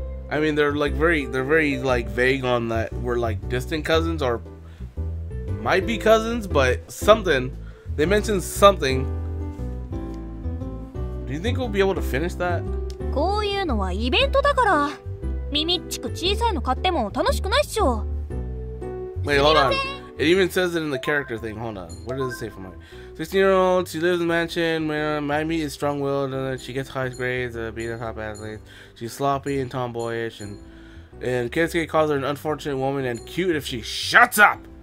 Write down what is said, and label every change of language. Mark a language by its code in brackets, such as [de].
[en] I mean, they're very vague on that we're like distant cousins or might be cousins, but something. They mentioned something. Do you think we'll be able to finish that? [ja] こういうのはイベントだから、ミミッチク小さいの買っても楽しくないっしょ。 [en] Wait, hold on. It even says it in the character thing. Hold on. What does it say for Maimi? 16-year-old, she lives in the mansion where Maimi is strong-willed and she gets high grades of being a top athlete. She's sloppy and tomboyish and Kensuke calls her an unfortunate woman and cute if she shuts up.